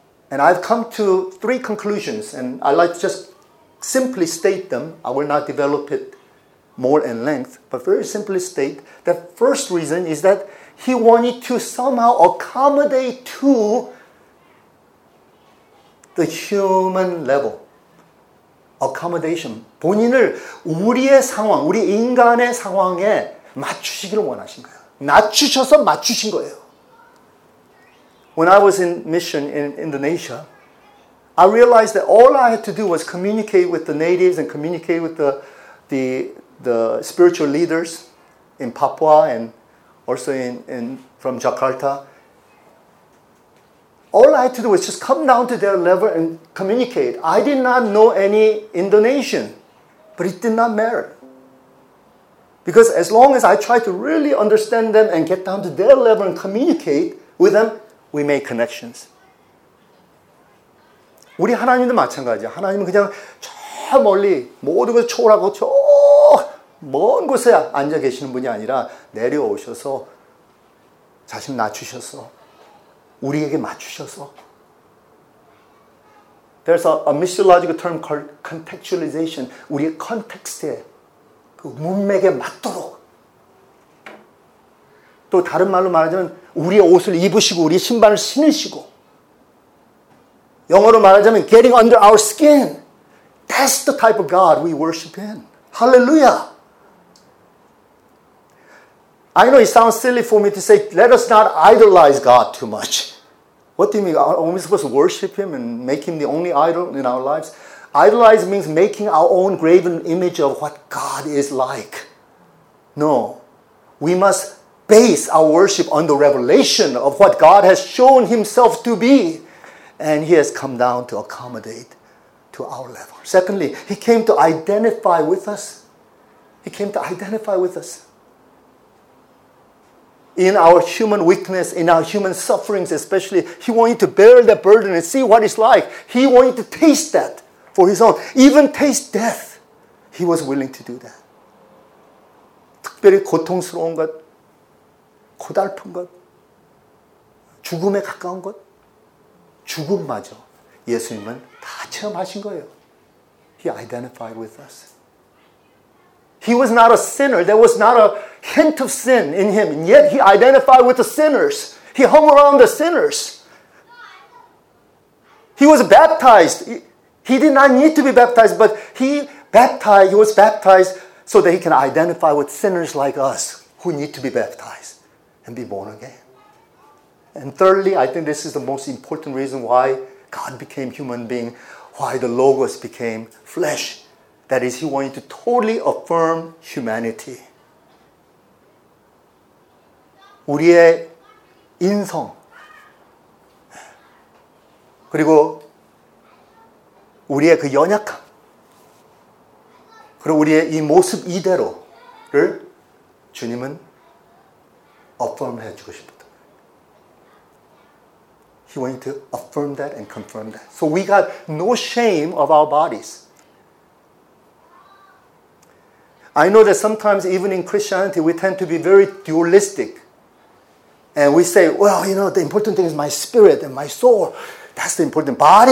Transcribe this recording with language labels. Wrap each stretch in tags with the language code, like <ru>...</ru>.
<en>And I've come to three conclusions. And I'd like to just simply state them. I will not develop it more in length, but very simply state, the first reason is that He wanted to somehow accommodate to the human level. Accommodation.</en> <ko>본인을 우리의 상황, 우리 인간의 상황에 맞추시기를 원하신 거예요. 낮추셔서 맞추신 거예요.</ko> <en>When I was in mission in Indonesia, I realized that all I had to do was communicate with the natives and communicate with the spiritual leaders in Papua and also in from Jakarta. All I had to do was just come down to their level and communicate. I did not know any Indonesian, but it did not matter. Because as long as I tried to really understand them and get down to their level and communicate with them, we make connections.</en> <ko>우리 하나님도 마찬가지야. 하나님은 그냥 저 멀리 모든 것을 초월하고 저 먼 곳에 앉아 계시는 분이 아니라 내려오셔서 자신 낮추셔서 우리에게 맞추셔서.</ko> <en>There's a missiological term called contextualization.</en> <ko>우리의 컨텍스트에 그 문맥에 맞도록. 또 다른 말로 말하자면 우리의 옷을 입으시고 우리의 신발을 신으시고. 영어로 말하자면</ko> <en>getting under our skin. That's the type of God we worship in. Hallelujah. I know it sounds silly for me to say, let us not idolize God too much. What do you mean? Are we supposed to worship Him and make Him the only idol in our lives? Idolize means making our own graven image of what God is like. No. We must base our worship on the revelation of what God has shown Himself to be. And He has come down to accommodate to our level. Secondly, He came to identify with us. He came to identify with us. In our human weakness, in our human sufferings especially, He wanted to bear that burden and see what it's like. He wanted to taste that for His own. Even taste death, He was willing to do that.</en> <ko>특별히 고통스러운 것, 고달픈 것, 죽음에 가까운 것, 죽음마저 예수님은 다 체험하신 거예요.</ko> <en>He identified with us. He was not a sinner. There was not a hint of sin in Him. And yet He identified with the sinners. He hung around the sinners. He was baptized. He did not need to be baptized, but he was baptized so that He can identify with sinners like us who need to be baptized and be born again. And thirdly, I think this is the most important reason why God became human being, why the Logos became flesh. That is, He wanted to totally affirm humanity.</en> <ko>우리의 인성, 그리고 우리의 그 연약함, 그리고 우리의 이 모습 이대로를 주님은 affirm해 주고 싶었다.</ko> <en>He wanted to affirm that and confirm that. So we got no shame of our bodies. I know that sometimes even in Christianity, we tend to be very dualistic. And we say, well, you know, the important thing is my spirit and my soul. That's the important body.</en>